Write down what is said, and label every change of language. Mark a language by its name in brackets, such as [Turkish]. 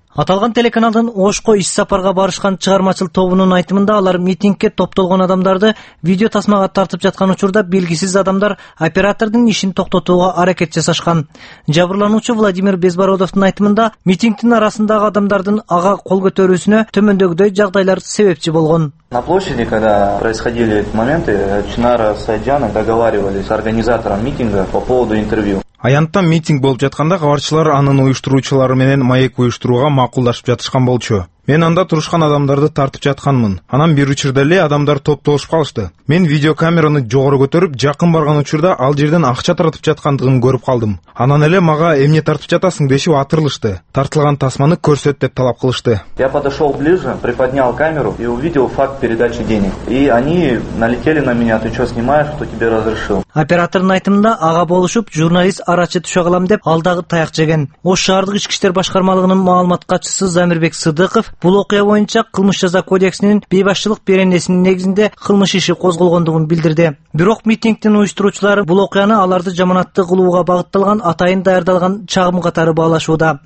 [Kyrgyz] Аталган телеканалдын Ошко иш сапарга барышкан чыгармачыл тобунун айтымында алар митингке топтолгон адамдарды видео тасмага тартып жаткан учурда белгисиз адамдар оператордун ишин токтотууга аракет жасашкан. Жабырлануучу Владимир Безбородовдун айтымында митингдин арасындагы адамдардын ага кол көтөрүүсүнө төмөндөгүдөй жагдайлар себепчи болгон. [Russian] На площади, когда происходили моменты, Чинара Сайджанов договаривались с организатором митинга по поводу интервью. [Kyrgyz] Аянтта митинг болуп жатканда кабарчылар анын уюштуруучулары менен маек уюштурууга макулдашып жатышкан болчу. Мен анда турушкан адамдарды тартып жатканмын. Анан бир учурда эле адамдар топтолушуп калышты. Мен видеокамераны жогору көтөрүп, жакын барган учурда ал жерден акча таратып жаткандыгын көрүп калдым. Анан эле мага эмне тартып жатасың дешип атырылышты. Тартылган тасманы көрсөт деп талап кылышты. [Russian] Я подошел ближе, приподнял камеру и увидел факт передачи денег. И они налетели на меня: ты что снимаешь, кто тебе разрешил? [Kyrgyz] Оператордун айтымында ага болушуп журналист арачы түшө калам деп алдагы таяк жеген. Ош шаардык ички иштер башкармалыгынын маалымат катчысы Замирбек Сыдыков бул окуя боюнча кылмыш жаза кодексинин бейбашчылык беренесинин негизинде кылмыш иши козголгондугун билдирди. Бирок митингдин уюштуруучулары бул окуяны аларды жаманатты кылууга багытталган атайын даярдалган чагым катары баалашууда.